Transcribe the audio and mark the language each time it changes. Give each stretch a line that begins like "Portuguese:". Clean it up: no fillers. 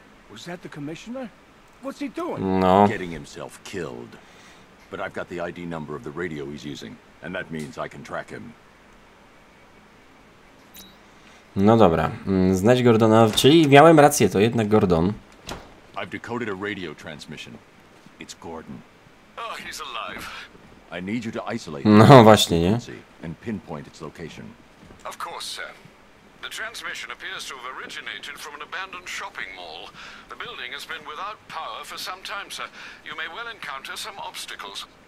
English: Was that the commissioner? What's he doing? No. Getting himself killed. But I've got the ID number of the radio he's using, and that means I can track him.
Polish: No dobra. Znać Gordona, czyli miałem rację, to jednak Gordon.
English: I've decoded a radio transmission. It's Gordon. Oh, he's alive. I need you to isolate.
Polish: No właśnie, nie?
English: And pinpoint its location. Of course, sir. The transmission appears to have originated from an abandoned shopping mall. The building has been without power for some time, sir. You may well encounter some obstacles.